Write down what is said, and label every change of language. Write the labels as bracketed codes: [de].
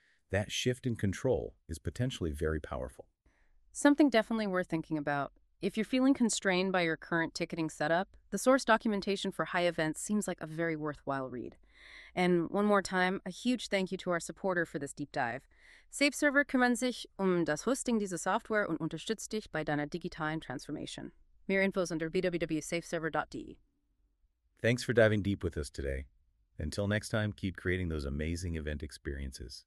[en] That shift in control is potentially very powerful. Something definitely worth thinking about. If you're feeling constrained by your current ticketing setup, the source documentation for high events seems like a very worthwhile read. And one more time, a huge thank you to our supporter for this deep dive. [de] SafeServer kümmert sich das Hosting dieser Software und unterstützt dich bei deiner digitalen Transformation. Mehr Infos unter www.safeserver.de. [en] Thanks for diving deep with us today. Until next time, keep creating those amazing event experiences.